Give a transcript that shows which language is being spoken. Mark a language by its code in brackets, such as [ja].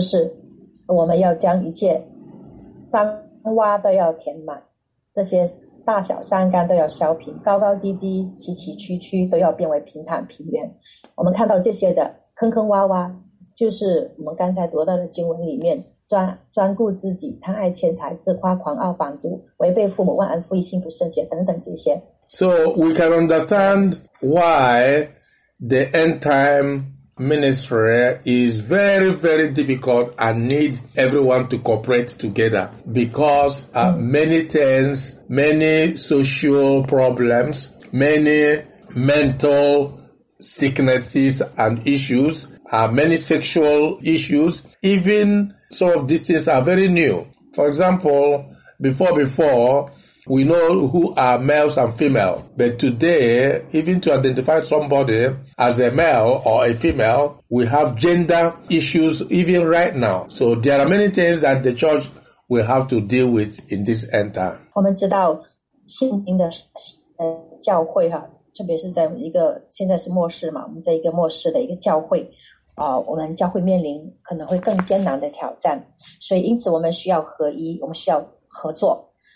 [zh] 所以我们看到在幕后的时代是这样子的一个情况。那么我们也要做当年施洗约翰所做的工作，就是我们要将一切伤 洼都要填满，这些大小山岗都要削平，高高低低，崎岖曲曲都要变为平坦平原。我们看到这些的坑坑洼洼，就是我们刚才读到的经文里面，专顾自己，贪爱钱财，自夸，狂傲，反毒，违背父母，忘恩负义，心不圣洁等等这些。 [en] So we can understand why the end time ministry is very, very difficult and needs everyone to cooperate together because many things, many social problems, many mental sicknesses and issues, many sexual issues, even some of these things are very new. For example, before, we know who are males and female, but today, even to identify somebody as a male or a female, we have gender issues even right now. So there are many things that the church will have to deal with in this end time. [zh] 我们知道，现今的教会，特别是在一个现在是末世嘛，我们在一个末世的一个教会，我们教会面临可能会更艰难的挑战，所以因此我们需要合一，我们需要合作。